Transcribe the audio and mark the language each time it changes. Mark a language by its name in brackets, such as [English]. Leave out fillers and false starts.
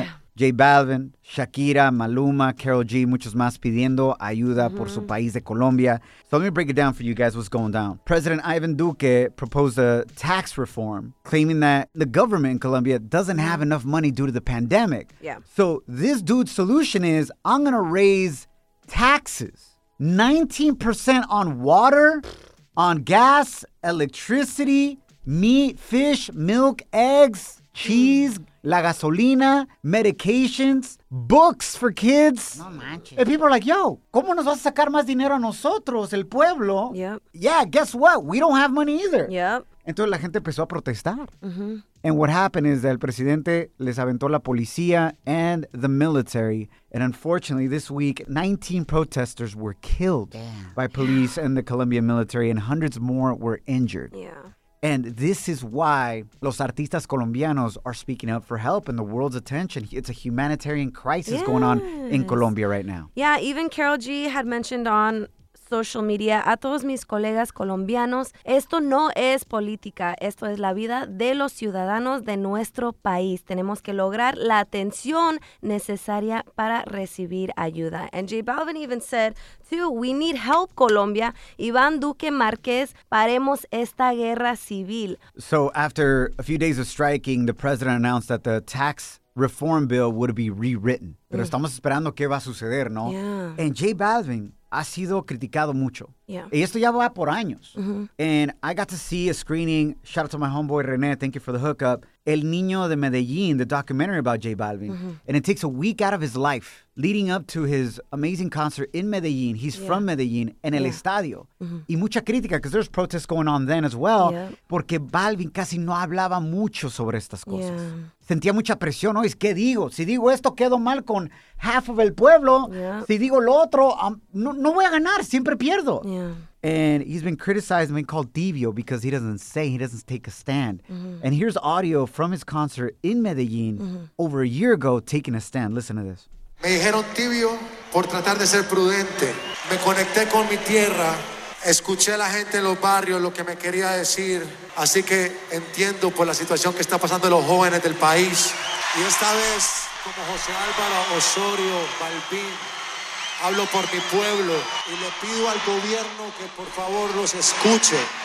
[Spanish] Yeah. J Balvin, Shakira, Maluma, Karol G, muchos más pidiendo ayuda mm-hmm. por su país de Colombia. [English] So let me break it down for you guys what's going down. President Iván Duque proposed a tax reform, claiming that the government in Colombia doesn't have enough money due to the pandemic. Yeah. So this dude's solution is, I'm going to raise taxes. 19% on water, on gas, electricity, meat, fish, milk, eggs, cheese, [Spanish] la gasolina, [English] medications, books for kids. [Spanish] No manches. [English] And people are like, yo, [Spanish] ¿cómo nos vas a sacar más dinero a nosotros, el pueblo? [English] Yep. Yeah, guess what? We don't have money either. Yep. [Spanish] Entonces la gente empezó a protestar. Mm-hmm. [English] And what happened is that [Spanish] el presidente les aventó la policía [English] and the military. And unfortunately, this week, 19 protesters were killed Damn. By police and the Colombian military, and hundreds more were injured. Yeah. And this is why [Spanish] los artistas colombianos [English] are speaking up for help and the world's attention. It's a humanitarian crisis yes. going on in Colombia right now. Yeah, even Karol G had mentioned on social media, [Spanish] a todos mis colegas colombianos, esto no es política, esto es la vida de los ciudadanos de nuestro país. Tenemos que lograr la atención necesaria para recibir ayuda. [English] And J Balvin even said, too, we need help, Colombia. [Spanish] Iván Duque Márquez, paremos esta guerra civil. [English] So after a few days of striking, the president announced that the tax reform bill would be rewritten. [Spanish] Pero estamos esperando qué va a suceder, ¿no? [English] Yeah. [Spanish] And J Balvin ha sido criticado mucho. [English] Yeah. [Spanish] Y esto ya va por años. Mm-hmm. [English] And I got to see a screening. Shout out to my homeboy, René. Thank you for the hookup. El Niño de Medellín, the documentary about J Balvin. Mm-hmm. And it takes a week out of his life leading up to his amazing concert in Medellín. He's yeah. from [Spanish] Medellín, en yeah. el estadio. Mm-hmm. Y mucha crítica, [English] because there's protests going on then as well, yeah. [Spanish] porque Balvin casi no hablaba mucho sobre estas cosas. [English] Yeah. [Spanish] Sentía mucha presión. ¿No? ¿Qué digo? Si digo esto, quedo mal con [English] half of [Spanish] el pueblo. [English] Yeah. [Spanish] Si digo lo otro, no voy a ganar. Siempre pierdo. [English] Yeah. And he's been criticized and been called tibio because he doesn't say, he doesn't take a stand. Mm-hmm. And here's audio from his concert in Medellín mm-hmm. over a year ago taking a stand. Listen to this. [Spanish] Me dijeron tibio por tratar de ser prudente. Me conecté con mi tierra. Escuché a la gente en los barrios lo que me quería decir. Así que entiendo por la situación que está pasando los jóvenes del país. Y esta vez, como José Álvaro Osorio Balbín, hablo por mi pueblo y le pido al gobierno que por favor los escuche.